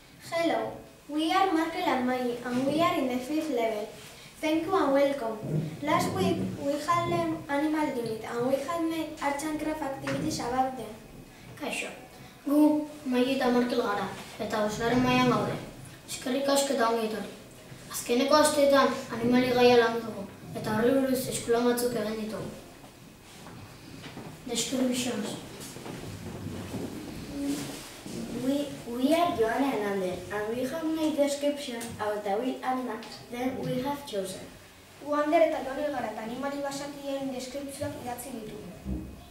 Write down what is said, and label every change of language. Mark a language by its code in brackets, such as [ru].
[en] Hello, we are Markel and Maggie, and we are in the fifth level. Thank you and welcome. Last week, we had learned Animal Unit, and we had made arts and craft activities about them. [eu] Kaixo, gu, Maggie eta Markel gara, eta bosgarren mailan gaude. Eskerrik asko eta ongi etorri. Azkeneko asteetan, animali gaia landu dugu, eta horri buruz eskulan batzuk egin ditugu. [en] Descriptions. We are Joanna and Ander, and we have made description of the wild animals that we have chosen. [eu] Wander eta Lore gara eta animali basatien descriptions idatzi ditugu.